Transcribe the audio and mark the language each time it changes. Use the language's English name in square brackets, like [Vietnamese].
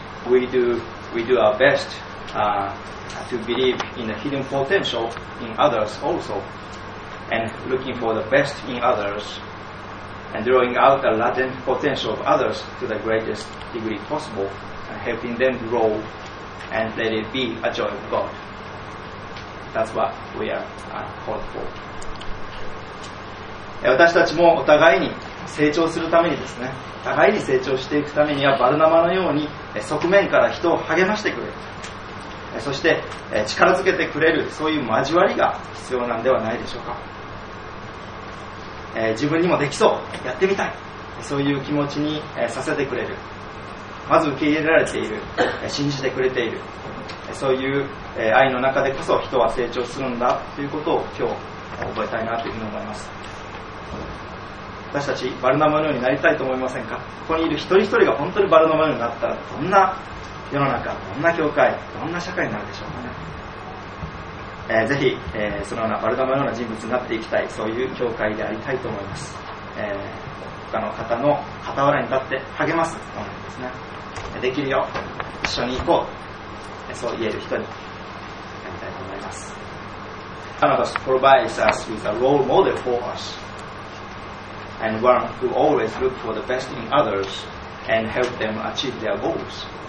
[English] We do our best to believe in the hidden potential in others also, and looking for the best in others. and drawing out the latent potential of others to the greatest degree possible, and helping them grow and let it be a joy of God. That's what we are called for. [Japanese] 私たちもお互いに成長するためにですね、互いに成長していくためには、バルナバのように側面から人を励ましてくれる、そして力づけてくれる、そういう交わりが必要なんではないでしょうか。自分にもできそう、やってみたい、そういう気持ちにさせてくれる、まず受け入れられている、信じてくれている、そういう愛の中でこそ人は成長するんだということを今日覚えたいなというふうに思います。私たちバルナバのようになりたいと思いませんか。ここにいる一人一人が本当にバルナバのようになったら、どんな世の中、どんな教会、どんな社会になるでしょうかね。ぜひ、そのようなバルナバのような人物になっていきたい、そういう教会でありたいと思います。他の方の傍らに立って励ますものですね。できるよ、一緒に行こう、そう言える人になりたいと思います。 [English] Canada provides us with a role model for us, and one who always looks for the best in others and helps them achieve their goals.